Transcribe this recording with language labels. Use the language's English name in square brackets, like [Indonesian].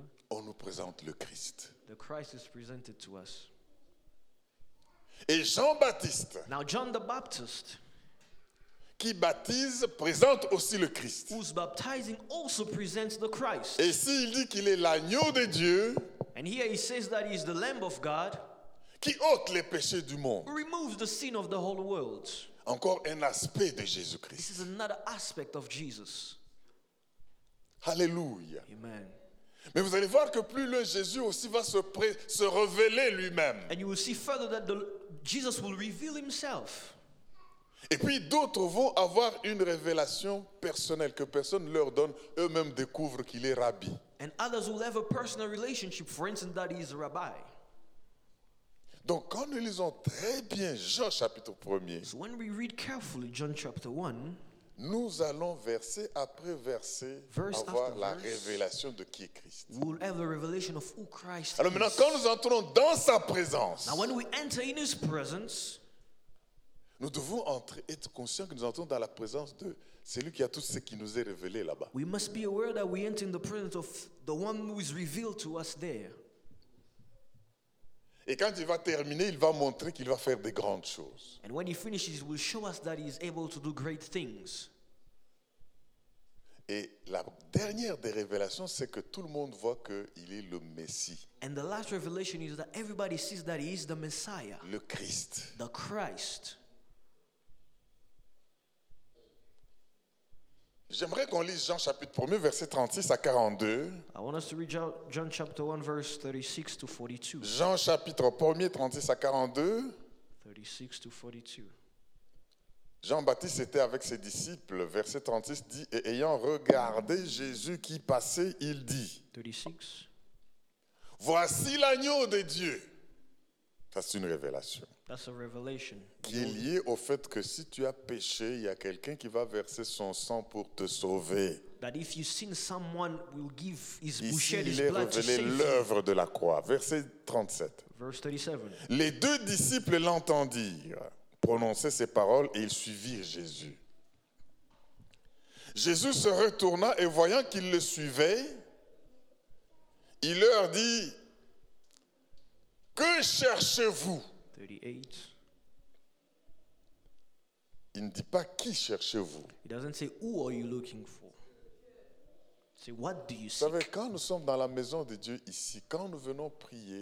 [French] On nous présente le Christ. [English] The Christ is presented to us. [French] Et Jean-Baptiste. [English] Now John the Baptist. [French] Qui baptise présente aussi le Christ. [English] Who's baptizing also presents the Christ. [French] Et s'il dit qu'il est l'agneau de Dieu. [English] And here he says that he is the Lamb of God. [French] Qui ôte les péchés du monde. [English] Who removes the sin of the whole world. [French] Encore un aspect de Jésus-Christ. [English] This is another aspect of Jesus. Hallelujah. Amen. [French] Mais vous allez voir que plus loin, Jésus aussi va se révéler lui-même. [English] And you will see further that Jesus will reveal himself. [French] Et puis d'autres vont avoir une révélation personnelle que personne ne leur donne, eux-mêmes découvrent qu'il est rabbi. [English] And others will have a personal relationship, for instance, that he is a rabbi. [French] Donc quand nous lisons très bien Jean chapitre 1, [English] so when we read carefully John chapter 1, [French] nous allons verset après verset [English] verse [French] avoir la révélation de qui est Christ. [English] We'll have the revelation of who Christ [French] alors maintenant [English] is. [French] Quand nous entrons dans sa présence, [English] now when we enter in his presence, [French] nous devons entrer, être conscients que nous entrons dans la présence de celui qui a tout ce qui nous est révélé là-bas. [English] We must be aware that we enter in the presence of the one who is revealed to us there. [French] Et quand il va terminer, il va montrer qu'il va faire des grandes choses. [English] And when he finishes, he will show us that he is able to do great things. [French] Et la dernière des révélations, c'est que tout le monde voit qu'il est le Messie. [English] And the last revelation is that everybody sees that he is the Messiah. [French] Le Christ. [English] The Christ. [French] J'aimerais qu'on lise Jean chapitre 1, verset 36 à 42. [English] I want us to read John chapter 1, verse 36 to 42. [French] Jean chapitre 1, 36 à 42. [English] 36 to 42. [French] Jean-Baptiste était avec ses disciples, verset 36 dit, et ayant regardé Jésus qui passait, il dit, [English] 36. [French] Voici l'agneau de Dieu. Ça, c'est une révélation. [English] That's a revelation. [French] Qui est lié au fait que si tu as péché, il y a quelqu'un qui va verser son sang pour te sauver. [English] That if you sin, someone will give his [French] ici, [English] shed his blood to save. [French] Ici, il est révélé l'œuvre de la croix. Verset 37. [English] Verse 37. [French] Les deux disciples l'entendirent prononcer ces paroles et ils suivirent Jésus. Jésus se retourna et voyant qu'ils le suivaient, il leur dit, que cherchez-vous? [English] 38. [French] Il ne dit pas qui cherchez-vous. [English] It doesn't say who are you looking for. Say what do you seek? [French] Vous savez, quand nous sommes dans la maison de Dieu ici, quand nous venons prier,